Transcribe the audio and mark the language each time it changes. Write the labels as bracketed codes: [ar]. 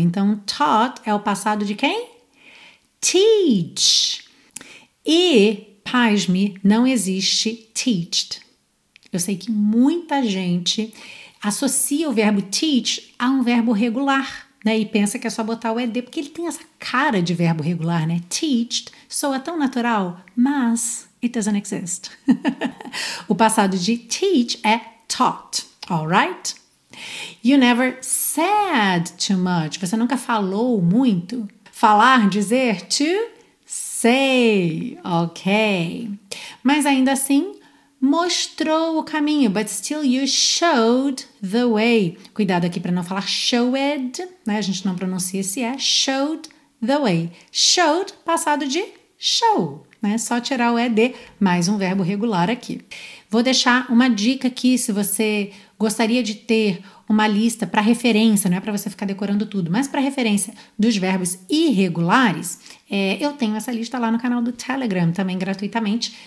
[pt] Então, taught é o passado de quem? Teach. E, pasme, não existe teached. Eu sei que muita gente associa o verbo teach a um verbo regular, né? E pensa que é só botar o ed, porque ele tem essa cara de verbo regular, né? Teached soa tão natural, mas [en] it doesn't exist. [pt] O passado de teach é taught, alright? [en] You never said too much. [pt] Você nunca falou muito. Falar, dizer, to say, ok. Mas ainda assim, mostrou o caminho. [en] But still you showed the way. [pt] Cuidado aqui para não falar showed, né? A gente não pronuncia esse showed the way. Showed, passado de show, né? Só tirar o ed, mais um verbo regular aqui. Vou deixar uma dica aqui, se você gostaria de ter uma lista para referência, não é para você ficar decorando tudo, mas para referência dos verbos irregulares, eu tenho essa lista lá no canal do Telegram, também gratuitamente.